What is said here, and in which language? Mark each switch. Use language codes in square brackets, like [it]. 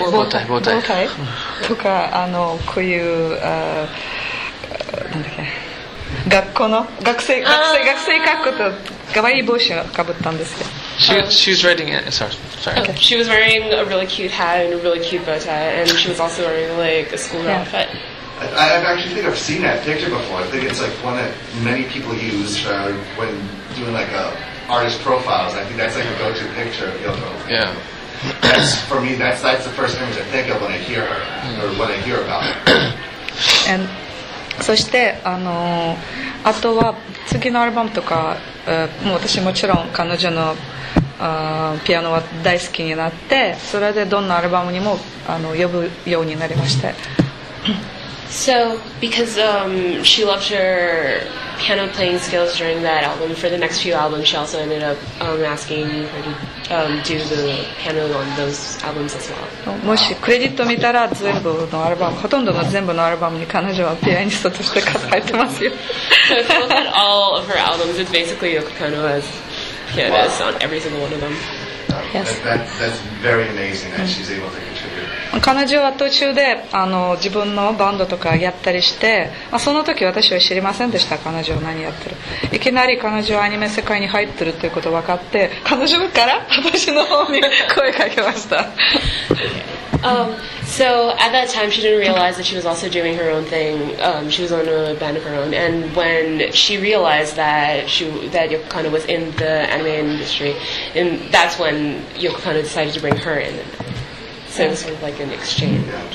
[ja] とかこういう学校の学生格好とかわいい帽子をかぶったんですよ。 [en] She was wearing it. Sorry. Okay. She was wearing a really cute hat and a really cute bow tie, and she was also wearing like a school outfit. I've seen that picture before. I think it's like one that many people use when doing like artist profiles. I think that's like a go-to picture of Yoko. Yeah. That's for me. That's the first image I think of when I hear her or when I hear about her. And. [ja] そしてあとは次のアルバムとか、もう私もちろん彼女のピアノは大好きになって、それでどんなアルバムにも呼ぶようになりまして。 [en] So because she loved her piano playing skills during that album, for the next few albums she also ended up asking her to do the piano on those albums as well. [ja] もしクレジット見たら全部のアルバム、ほとんどの全部のアルバムに彼女はピアニストとして入ってますよ。 [en] So it's not all of her albums, it's basically Yoko Kanno as pianist on every single one of them. Yes. That's very amazing that she's able to contribute. [ja] 彼女は途中で自分のバンドとかやったりして、その時私は知りませんでした、彼女は何やってる。いきなり彼女はアニメ世界に入ってるということを分かって、彼女から私の方に声かけました。 [en] So at that time she didn't realize that she was also doing her own thing. She was on a band of her own, and when she realized that that Yoko Kanno was in the anime industry, and that's when Yoko Kanno decided to bring her in. So it's sort of like an exchange.